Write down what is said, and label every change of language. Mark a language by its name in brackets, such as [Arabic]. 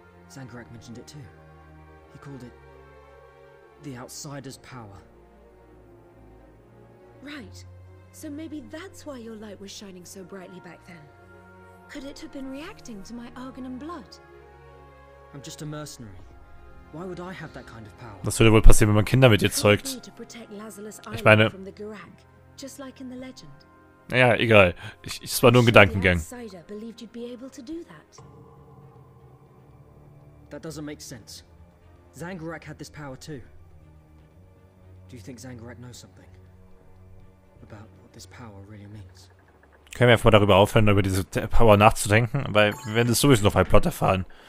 [English] Zangarak mentioned it too. He called it the Outsider's power. Right. So maybe that's why your light was shining so brightly back then. Could it have been reacting to my Argonin blood? I'm just a mercenary. Why would I have that kind of power? [German] Was würde wohl passieren, wenn man Kinder mit dir zeugt? Ich meine, [English] from the Garak, just like in the legend. [German] Naja, egal. Es war nur ein Gedankengang. [English] Outsider believed you'd be able to do that. That doesn't make sense. Zangarak had this power too. Do you think Zangarak knows something about what this power really means? [German] Können wir einfach mal darüber aufhören, über diese Power nachzudenken, weil wir werden das sowieso noch einen Plot erfahren.